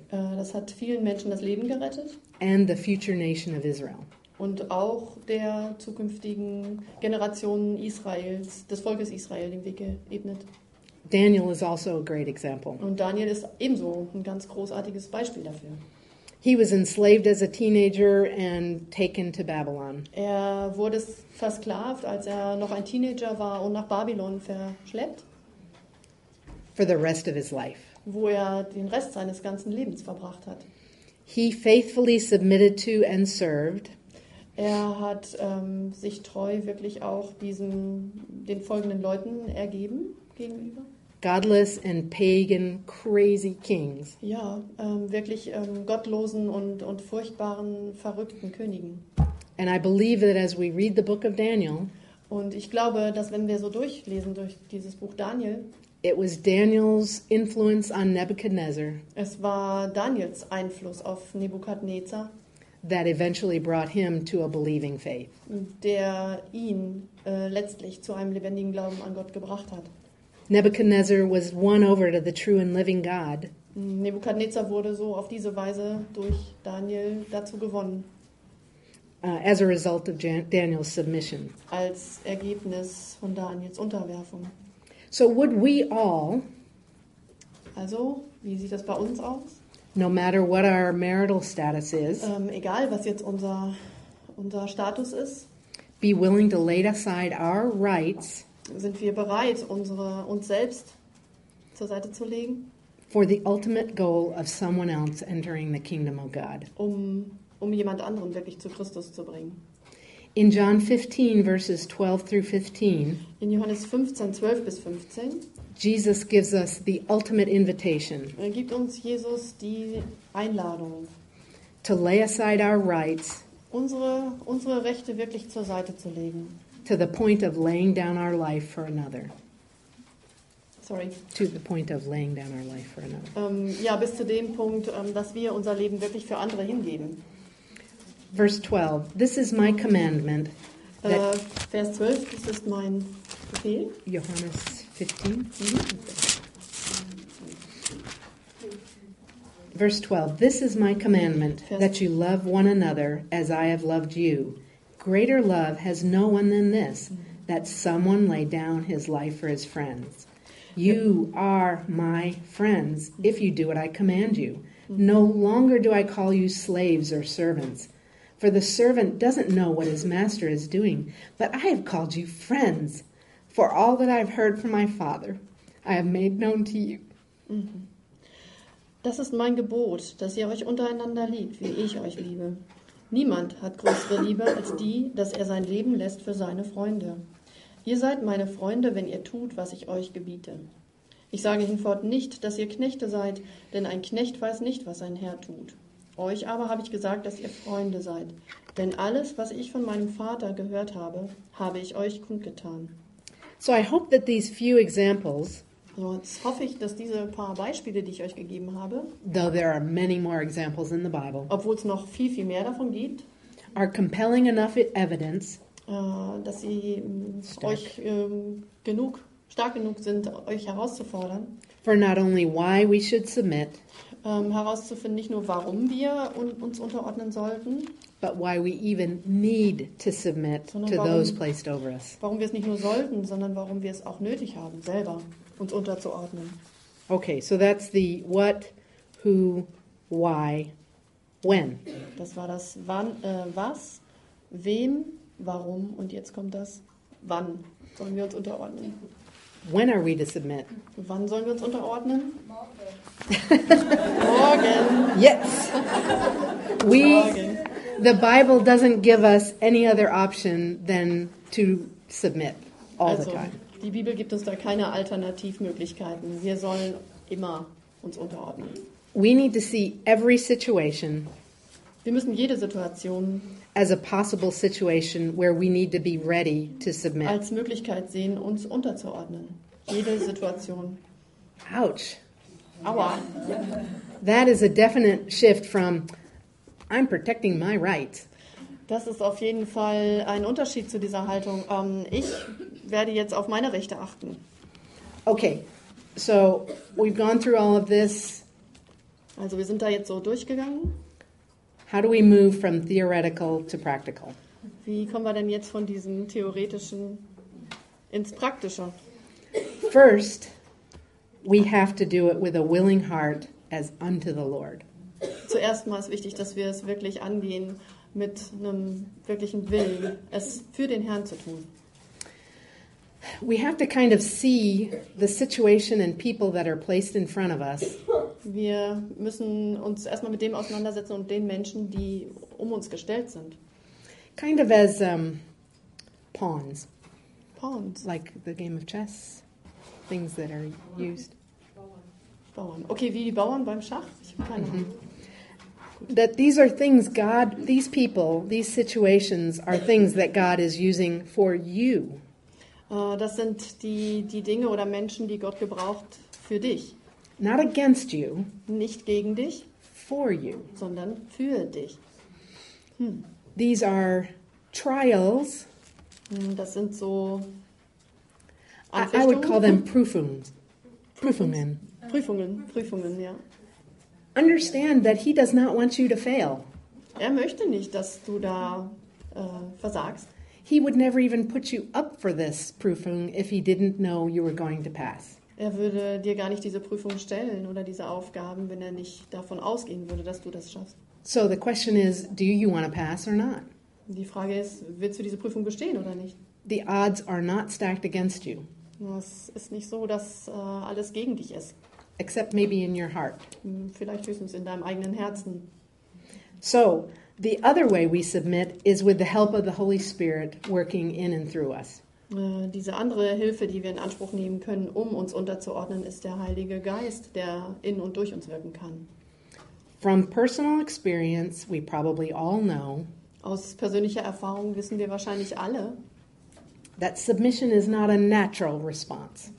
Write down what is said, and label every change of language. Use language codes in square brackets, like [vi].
[de] Das hat vielen Menschen das Leben gerettet. [en] And the future nation of Israel. [de] Und auch der zukünftigen Generation Israels, des Volkes Israel, den Weg geebnet. [en] Daniel is also a great example. [de] Und Daniel ist ebenso ein ganz großartiges Beispiel dafür. [en] He was enslaved as a teenager and taken to Babylon. [de] Er wurde versklavt, als er noch ein Teenager war und nach Babylon verschleppt. [en] For the rest of his life. [de] Wo er den Rest seines ganzen Lebens verbracht hat. [en] He faithfully submitted to and served. [de] Er hat sich treu wirklich auch diesen den folgenden Leuten ergeben gegenüber. [en] Godless and pagan crazy kings. [de] Ja, wirklich gottlosen und furchtbaren verrückten Königen. [en] And I believe that as we read the book of Daniel. [de] Und ich glaube, dass wenn wir so durchlesen durch dieses Buch Daniel. [en] It was Daniel's influence on Nebuchadnezzar. [de] Es war Daniels Einfluss auf Nebukadnezar. [en] That eventually brought him to a believing faith. [de] Der ihn letztlich zu einem lebendigen Glauben an Gott gebracht hat. [en] Nebuchadnezzar was won over to the true and living God. [de] Nebukadnezar wurde so auf diese Weise durch Daniel dazu gewonnen. [en] As a result of Daniel's submission. [de] Als Ergebnis von Daniels Unterwerfung. [en] So would we all, [de] also, wie sieht das bei uns aus? [en] No matter what our marital status is, [de] egal was jetzt unser Status ist, [en] be willing to lay aside our rights, [de] sind wir bereit, uns selbst zur Seite zu legen, [en] for the ultimate goal of someone else entering the kingdom of God, [de] um jemand anderen wirklich zu Christus zu bringen. [en] In John 15, verses 12 through 15, [de] in Johannes 15, 12 bis 15, [en] Jesus gives us the ultimate invitation. [de] Er gibt uns Jesus die Einladung, [en] to lay aside our rights, [de] unsere Rechte wirklich zur Seite zu legen, [en] to the point of laying down our life for another. Sorry. To the point of laying down our life for another. [de] Ja, bis zu dem Punkt, dass wir unser Leben wirklich für andere hingeben. [en] Verse 12. This is my commandment. [de] Vers 12, das ist mein Befehl. Johannes 15. [en] Verse 12. This is my commandment, that you love one another as I have loved you. Greater love has no one than this, that someone lay down his life for his friends. You are my friends if you do what I command you. No longer do I call you slaves or servants. For the servant doesn't know what his master is doing, but I have called you friends. For all that I have heard from my Father, I have made known to you. [de] Das ist mein Gebot, dass ihr euch untereinander liebt, wie ich euch liebe. Niemand hat größere Liebe als die, dass er sein Leben lässt für seine Freunde. Ihr seid meine Freunde, wenn ihr tut, was ich euch gebiete. Ich sage hinfort nicht, dass ihr Knechte seid, denn ein Knecht weiß nicht, was sein Herr tut. Euch aber habe ich gesagt, dass ihr Freunde seid. Denn alles, was ich von meinem Vater gehört habe, habe ich euch kundgetan. [en] So I hope that these few examples, [de] so jetzt hoffe ich, dass diese paar Beispiele, die ich euch gegeben habe, [en] though there are many more examples in the Bible, [de] obwohl es noch viel, viel mehr davon gibt, [en] are compelling enough evidence, [de] dass sie euch genug, stark genug sind, euch herauszufordern, [en] for not only why we should submit, [de] herauszufinden, nicht nur warum wir uns unterordnen sollten, [en] but why we even need to submit to those placed over us. [de] Warum wir es nicht nur sollten, sondern warum wir es auch nötig haben, selber uns unterzuordnen. [en] Okay, so that's the what, who, why, when. [de] Das war das wann, was, wem, warum und jetzt kommt das wann sollen wir uns unterordnen. [en] When are we to submit? [de] Wann sollen wir uns unterordnen? Morgen. Morgen. [en] Yes. We, the Bible doesn't give us any other option than to submit all [de] also, [en] the time. [de] Die Bibel gibt uns da keine Alternativmöglichkeiten. Wir sollen immer uns unterordnen. [en] We need to see every situation. [de] Wir müssen jede Situation [en] as a possible situation where we need to be ready to submit. [de] Als Möglichkeit sehen, uns unterzuordnen. Jede Situation. [en] Ouch. [de] Aua. [en] That is a definite shift from I'm protecting my rights. [de] Das ist auf jeden Fall ein Unterschied zu dieser Haltung. Ich werde jetzt auf meine Rechte achten. [en] Okay, so we've gone through all of this. [de] Also wir sind da jetzt so durchgegangen. [en] How do we move from theoretical to practical? [de] Wie kommen wir denn jetzt von diesem Theoretischen ins Praktische? [en] First, we have to do it with a willing heart as unto the Lord. [de] Zuerst mal ist wichtig, dass wir es wirklich angehen mit einem wirklichen Willen, es für den Herrn zu tun. [en] We have to kind of see the situation and people that are placed in front of us. [de] Wir müssen uns erstmal mit dem auseinandersetzen und den Menschen, die um uns gestellt sind. [en] Kind of as pawns. Pawns. Like the game of chess. Things that are used. [de] Bauern. Okay, wie die Bauern beim Schach? Ich habe keine Ahnung. [en] That these are things God, these people, these situations are things that God is using for you. [de] Das sind die Dinge oder Menschen, die Gott gebraucht für dich. [en] Not against you. [de] Nicht gegen dich. [en] For you. [de] Sondern für dich. [en] These are trials. [de] Das sind so [en] Anfechtungen. I would call them Prüfungs. Prüfungen. [de] Prüfungen. Prüfungen, ja. [en] Understand that he does not want you to fail. [de] Er möchte nicht, dass du da versagst. [en] He would never even put you up for this proofing if he didn't know you were going to pass. [de] Er würde dir gar nicht diese Prüfung stellen oder diese Aufgaben, wenn er nicht davon ausgehen würde, dass du das schaffst. [en] So the question is, do you want to pass or not? [de] Die Frage ist, willst du diese Prüfung bestehen oder nicht? [en] The odds are not stacked against you. [de] Es ist nicht so, dass alles gegen dich ist. [en] Except maybe in your heart. [de] Vielleicht höchstens in deinem eigenen Herzen. [en] So, the other way we submit is with the help of the Holy Spirit working in and through us. [de] Diese andere Hilfe, die wir in Anspruch nehmen können, um uns unterzuordnen, ist der Heilige Geist, der in und durch uns wirken kann. [en] From personal experience, we probably all know. [de] Aus persönlicher Erfahrung wissen wir wahrscheinlich alle. [en] That submission is not a natural response.